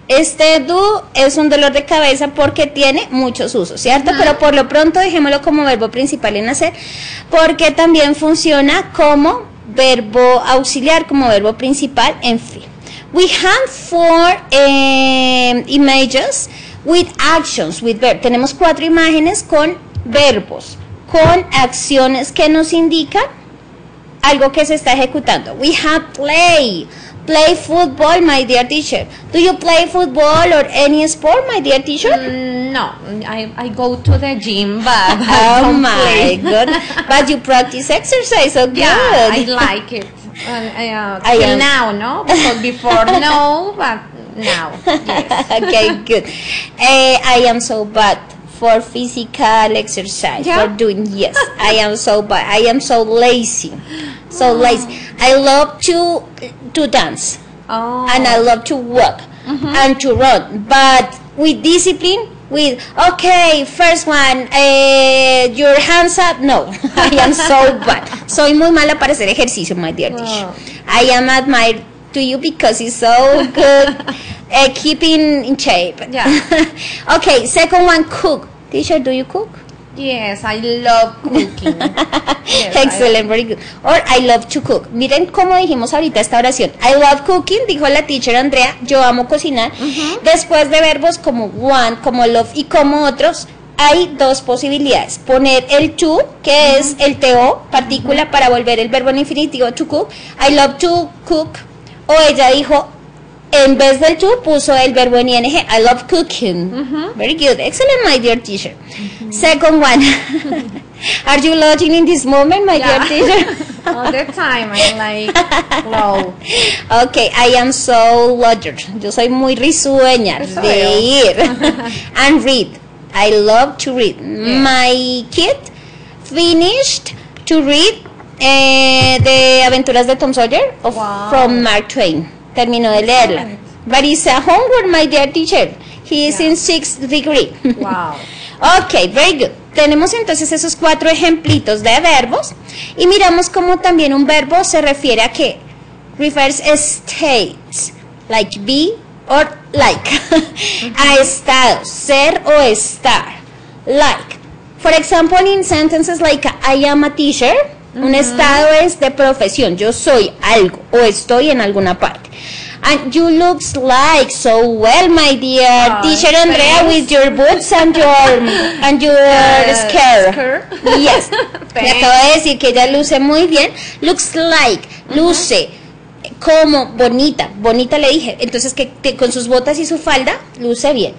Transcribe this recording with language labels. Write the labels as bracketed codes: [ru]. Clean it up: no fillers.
[es] Este do es un dolor de cabeza porque tiene muchos usos, ¿cierto? Uh-huh. Pero por lo pronto dejémoslo como verbo principal en hacer, porque también funciona como verbo auxiliar, como verbo principal, en fin. [en] We have four images with actions, with verb. [es] Tenemos cuatro imágenes con verbos, con acciones que nos indican algo que se está ejecutando. [en] We have play. Play football, my dear teacher. Do you play football or any sport, my dear teacher? No, I go to the gym, but oh, my God. But you practice exercise, so yeah, good. I like it. Now, no? Because before, no, but now, yes. Okay, good. I am so bad for physical exercise, yeah. For doing, yes, I am so bad. I am so lazy. So lazy. I love to dance. Oh. And I love to walk. Mm-hmm. And to run. But with discipline, with, okay, first one, your hands up. No, I am so bad. [es] Soy muy mala para hacer ejercicio, [en] my dear teacher. Oh. I am admired to you because it's so good. keeping in shape. Yeah. Okay, second one, cook. Teacher, do you cook? Yes, I love cooking. Yes, excellent, very good. Or I love to cook. [es] Miren cómo dijimos ahorita esta oración. [en] I love cooking, [es] dijo la teacher Andrea. Yo amo cocinar. Uh-huh. Después de verbos como want, como love y como otros, hay dos posibilidades. Poner el to, que uh-huh. es el to, partícula uh-huh. para volver el verbo en infinitivo, [en] to cook. I love to cook. [es] O ella dijo, en vez del to, puso el verbo en ing, [en] I love cooking. Uh-huh. Very good. Excellent, my dear teacher. Uh-huh. Second one. Are you lodging in this moment, my dear teacher? All the time. I'm like, wow. Okay, I am so lodger. [es] Yo soy muy risueña de ir. [en] And read. I love to read. Yeah. My kid finished to read The Aventuras de Tom Sawyer from Mark Twain. [es] Terminó de leerla. [en] But it's a homework, my dear teacher. He is in sixth degree. Wow. Okay, very good. [es] Tenemos entonces esos cuatro ejemplitos de verbos. Y miramos cómo también un verbo se refiere a qué. [en] Refers a states. Like be or like. Mm-hmm. [es] A estado. Ser o estar. [en] Like. For example, in sentences like I am a teacher. Mm-hmm. [es] Un estado es de profesión. Yo soy algo o estoy en alguna parte. [en] And you look like so well, my dear teacher Andrea, thanks. With your boots and your skirt. Yes. [es] Le acabo de decir que ella luce muy bien. [en] Looks like, [es] luce, uh-huh. como bonita. Bonita le dije. Entonces, que con sus botas y su falda, luce bien.